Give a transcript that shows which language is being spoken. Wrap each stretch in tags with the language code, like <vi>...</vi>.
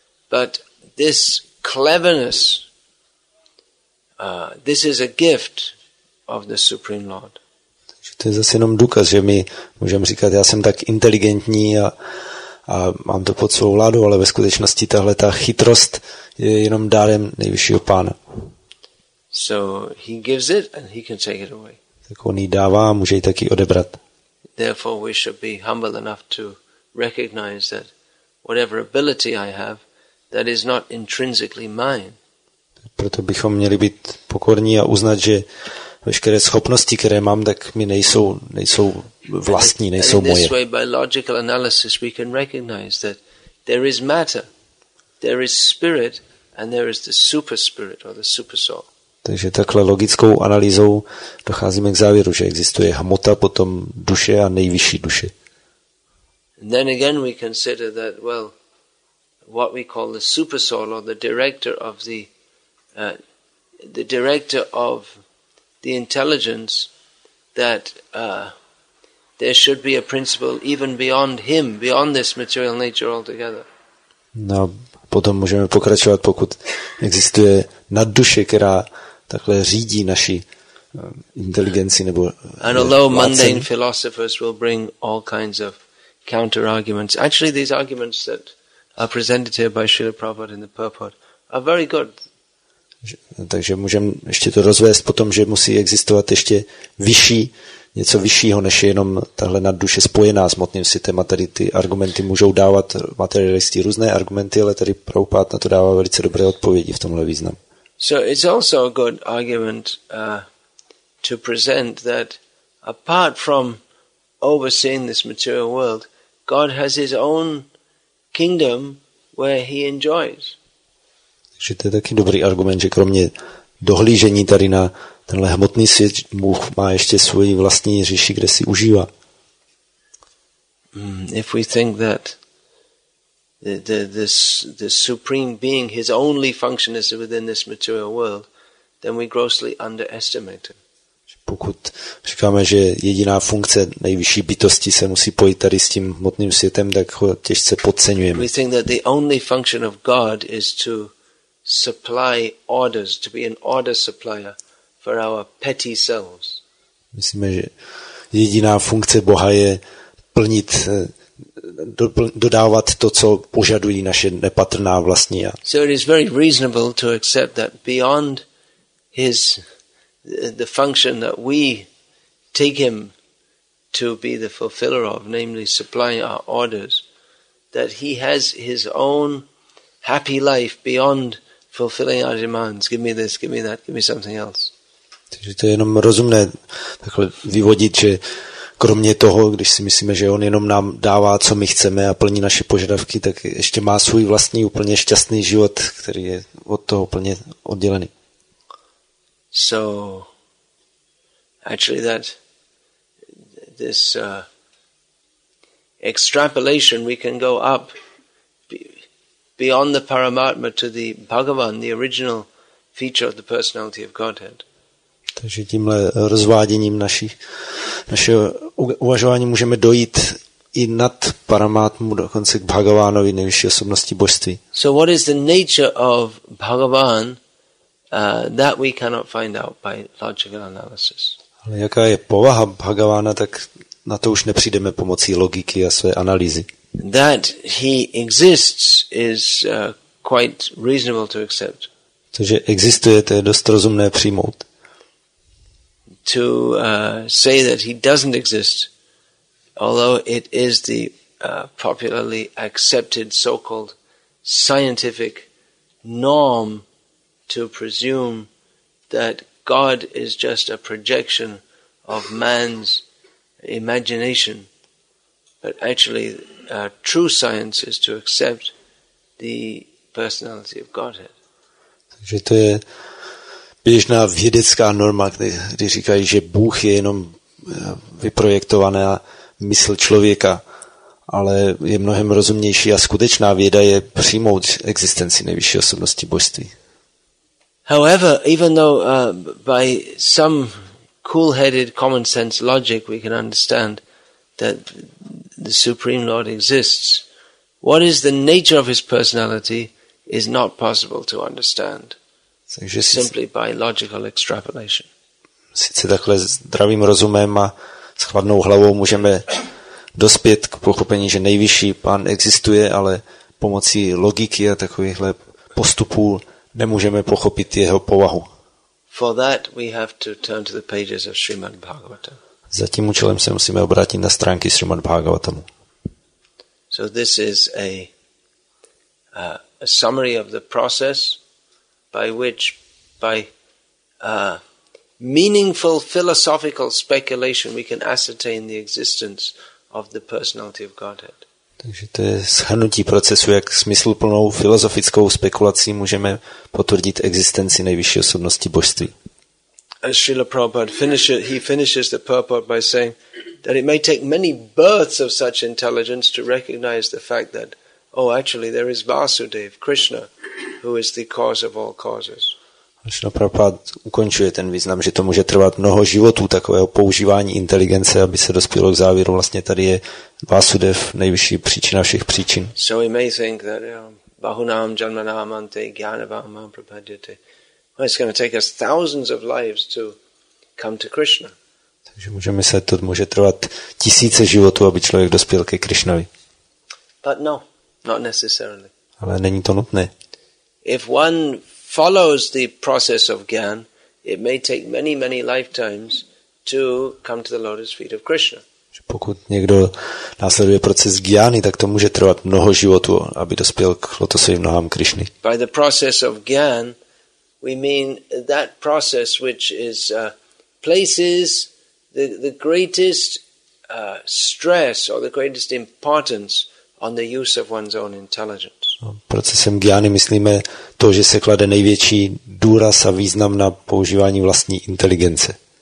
<en>But this cleverness, this is a gift of the Supreme Lord.</en> <cs>Takže to je zase jenom důkaz, že my můžeme říkat, já jsem tak inteligentní a mám to pod svou vládou, ale ve skutečnosti tahle ta chytrost je jenom dárem nejvyššího pána.</cs> <en>So he gives it and he can take it away.</en> <cs>Tak on jí dává, může jí taky odebrat.</cs> <en>Therefore we should be humble enough to recognize that whatever ability I have, that is not intrinsically mine.</en> <cs>Proto bychom měli být pokorní a uznat, že veškeré schopnosti, které mám, tak mi nejsou vlastní, nejsou moje.</cs> <en>In this way, by logical analysis, we can recognize that there is matter, there is spirit, And there is the super spirit or the super soul.</en> <cs>Takže takhle logickou analýzou docházíme k závěru, že existuje hmota, potom duše a nejvyšší duše.</cs> <en>And then again we consider that, well, what we call the super soul or the director of the director of the intelligence, that there should be a principle even beyond him, beyond this material nature altogether.</en> <cs>No, potom můžeme pokračovat, pokud existuje nadduše, která takhle řídí naši inteligenci nebo</cs> <en>And although mundane philosophers will bring all kinds of counter arguments, actually these arguments that are presented here by Srila Prabhupada in the purport are very good.</en> <cs>Takže můžeme ještě to rozvést potom, že musí existovat ještě vyšší, něco vyššího, než jenom tahle nadduše spojená s hmotným světem. A tady ty argumenty můžou dávat materialisti různé argumenty, ale tady Prabhupád na to dává velice dobré odpovědi v tomhle význam.</cs> <en>So it's also a good argument to present that apart from overseeing this material world, God has his own kingdom where he enjoys.</en> <cs>Že to je taky dobrý argument, že kromě dohlížení tady na tenhle hmotný svět, Bůh má ještě svoji vlastní říši, kde si užívá.</cs> <en>If we think that the supreme being, his only function is within this material world, then we grossly underestimate him.</en> <cs>Pokud říkáme, že jediná funkce nejvyšší bytosti se musí pojít tady s tím hmotným světem, tak ho těžce podceňujeme.</cs> <en>We think that the only function of God is to supply orders, to be an order supplier for our petty selves.</en> <cs>Myslíme, že jediná funkce Boha je plnit, dodávat to, co požadují naše nepatrná vlastní já.</cs> <en>So it is very reasonable to accept that beyond his the function that we take him to be the fulfiller of, namely supplying our orders, that he has his own happy life beyond fulfilling our demands, give me this, give me that, give me something else.</en> <cs>Takže to je jenom rozumné takhle vyvodit, že kromě toho, když si myslíme, že on jenom nám dává, co my chceme a plní naše požadavky, tak ještě má svůj vlastní úplně šťastný život, který je od toho úplně oddělený.</cs> <en>So, actually that, this extrapolation, we can go up beyond the Paramatma to the Bhagavan, the original feature of the personality of Godhead.</en> <cs>Takže tímhle rozváděním našeho uvažování můžeme dojít i nad Paramatmu, dokonce k Bhagavánovi, nejvyšší osobnosti božství.</cs> <en>So what is the nature of Bhagavan that we cannot find out by logical analysis.</en> <cs>Ale jaká je povaha Bhagavána, tak na to už nepřijdeme pomocí logiky a své analýzy.</cs> <en>That he exists is quite reasonable to accept.</en> <cs>Takže existuje, to je dost rozumné přijmout.</cs> <en>To say that he doesn't exist, although it is the popularly accepted so-called scientific norm to presume that God is just a projection of man's imagination. But actually, true science is to accept the personality of Godhead.</en> <cs>Takže to je běžná vědecká norma, kdy říkají, že Bůh je jenom vyprojektovaná mysl člověka, ale je mnohem rozumnější a skutečná věda je přijmout existenci nejvyšší osobnosti božství.</cs> <en>However, even though by some cool-headed common sense logic we can understand that the Supreme Lord exists, what is the nature of his personality is not possible to understand simply by logical extrapolation.</en> <cs>Sice takhle zdravým rozumem a s chladnou hlavou můžeme dospět k pochopení, že nejvyšší pán existuje, ale pomocí logiky a takovýchhle postupů nemůžeme pochopit jeho povahu.</cs> <en>For that we have to turn to the pages of Srimad Bhagavatam.</en> <cs>Za tím účelem se musíme obrátit na stránky Srimad Bhagavatamu.</cs> <en>So this is a summary of the process by which by meaningful philosophical speculation we can ascertain the existence of the personality of Godhead.</en> <cs>Takže to je shrnutí procesu, jak smysluplnou filozofickou spekulací můžeme potvrdit existenci nejvyšší osobnosti božství.</cs> <en>As Srila Prabhupada finishes, he finishes the purport by saying that it may take many births of such intelligence to recognize the fact that, oh, actually there is Vasudev, Krishna, who is the cause of all causes.</en> <cs>Srila Prabhupada ukončuje ten význam, že to může trvat mnoho životů takového používání inteligence, aby se dospělo k závěru. Vlastně tady je Vasudev nejvyšší příčina všech příčin.</cs> <en>So we may think that</en> <sa>Bahunam Janmanam Ante Gyanavam Prabhupadyate.</sa> <en>It's going to take us thousands of lives to come to Krishna.</en> <cs>Takže můžeme myslet, to může trvat tisíce životů, aby člověk dospěl ke Krishnovi.</cs> <en>But no, not necessarily.</en> <cs>Ale není to nutné.</cs> <en>If one follows the process of Gyan, it may take many, many lifetimes to come to the lotus feet of Krishna.</en> <cs>Pokud někdo následuje proces Gyány, tak to může trvat mnoho životů, aby dospěl k lotosovým nohám Krishny.</cs> <en>By the process of Gyan, we mean that process which is places the greatest stress or the greatest importance on the use of one's own intelligence.</en> <cs>Procesem Gyány myslíme to, že se klade největší důraz a význam na používání vlastní inteligence.</cs>